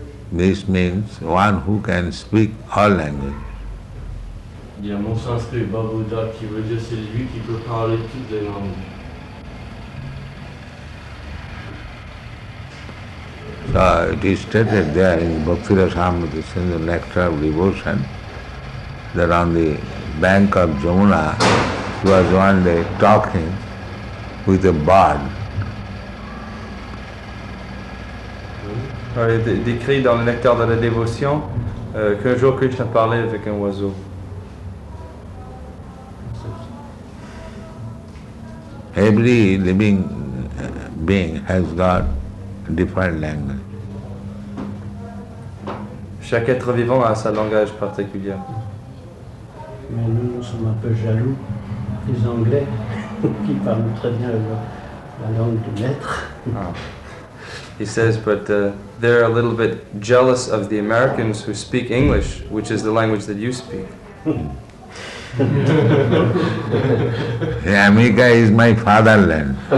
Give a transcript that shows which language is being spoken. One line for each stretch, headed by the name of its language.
English: This means one who can speak all languages.
French: Il y a mon sanskrit Babuda qui veut dire c'est lui qui peut parler toutes les langues.
English: So it is stated there in Bhakti Rasamrita, in the Nectar of Devotion, that on the bank of Jamuna he was one day talking with a bird.
French: Il est décrit dans le Nectar de la Dévotion qu'un jour Krishna parlait avec un oiseau.
English: Every living being has got different language.
French: Chaque être vivant a sa langage particulier. Mais nous sommes un peu jaloux des Anglais qui parlent très bien la langue du maître.
English: He says, but they're a little bit jealous of the Americans who speak English, which is the language that you speak. America is my fatherland.